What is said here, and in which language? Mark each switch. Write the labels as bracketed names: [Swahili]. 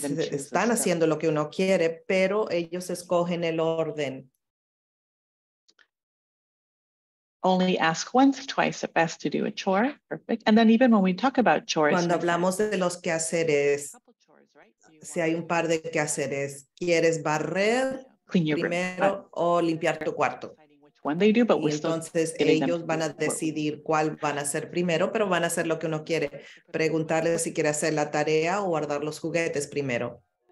[Spanish] Están haciendo lo que uno quiere, pero ellos escogen el orden. [English] Only ask once, twice, if asked to do a chore. Perfect. And then even when we talk about chores. [Spanish] Cuando hablamos de los quehaceres, si hay un par de quehaceres, ¿quieres barrer primero o limpiar tu cuarto? Entonces ellos van a decidir cuál van a hacer primero, pero van a hacer lo que uno quiere. Preguntarle si quiere hacer la tarea o guardar los juguetes primero.